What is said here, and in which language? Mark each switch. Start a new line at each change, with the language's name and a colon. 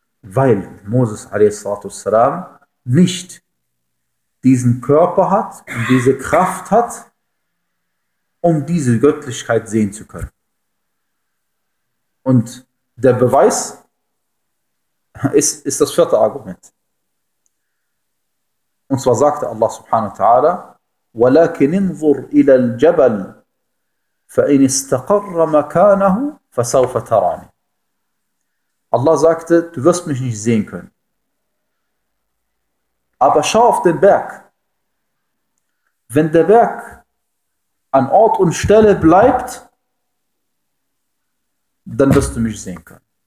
German: Weil Moses alayhi salatu wasalam nicht diesen Körper hat und diese Kraft hat, um diese Göttlichkeit sehen zu können. Und der Beweis ist das vierte Argument. Und zwar sagte
Arabic: Allah subhanahu wa ta'ala, وَلَكِنِ انظُرْ إِلَى الْجَبَلِ فَإِنِ اسْتَقَرَّ مَكَانَهُ فَسَوْفَ تَرَانِ.
German: Allah sagte, du wirst mich nicht sehen können. Aber schau auf den Berg. Wenn der Berg an Ort und Stelle bleibt, dann wirst du mich sehen können.